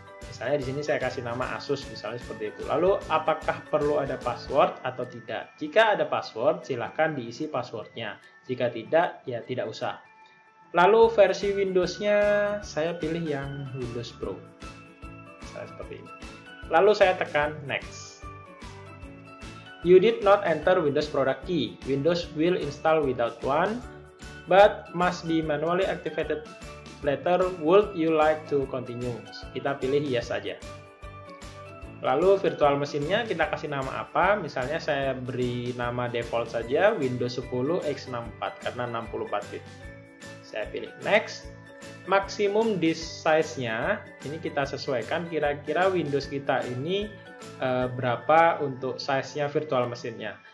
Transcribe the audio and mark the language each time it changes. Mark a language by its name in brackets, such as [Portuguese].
[Indonesian] Misalnya di sini saya kasih nama Asus misalnya seperti itu. Lalu apakah perlu ada password atau tidak? Jika ada password silahkan diisi passwordnya. Jika tidak ya tidak usah. Lalu versi Windows-nya saya pilih yang Windows Pro. Misalnya seperti ini. Lalu saya tekan next. [English] You did not enter Windows product key. Windows will install without one, but must be manually activated later. Would you like to continue? [Indonesian] Kita pilih yes saja. Lalu virtual mesinnya kita kasih nama apa? Misalnya saya beri nama default saja Windows 10 x64 karena 64 bit. Saya pilih next. Maximum disk size-nya ini kita sesuaikan kira-kira Windows kita ini berapa untuk size-nya virtual mesinnya.